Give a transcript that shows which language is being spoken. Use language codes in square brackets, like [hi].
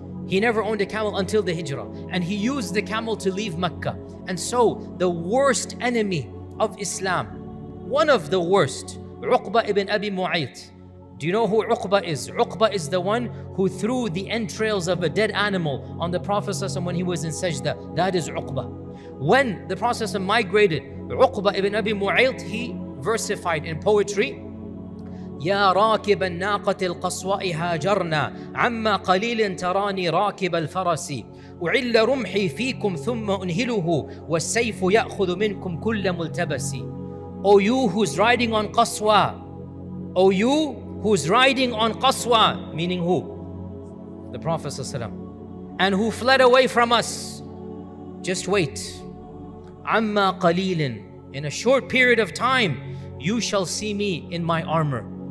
[en] He never owned a camel until the Hijrah. And he used the camel to leave Mecca. And so the worst enemy of Islam, one of the worst, Uqba ibn Abi Mu'ayt. Do you know who Uqba is? Uqba is the one who threw the entrails of a dead animal on the Prophet ﷺ when he was in Sajda. That is Uqba. When the Prophet ﷺ migrated, Uqba ibn Abi Mu'ayt, he versified in poetry, [ar] Ya راكب الناقة القصواء هاجرنا عما قليل تراني راكب الفرس وعل رمحي فيكم ثم أنهله والسيف يأخذ منكم كل ملتبس. [en] O you who's riding on Qaswa, O you who's riding on Qaswa, meaning who? The Prophet ﷺ, and who fled away from us. Just wait. [ar] عما قليل, [en] in a short period of time, you shall see me in my armor.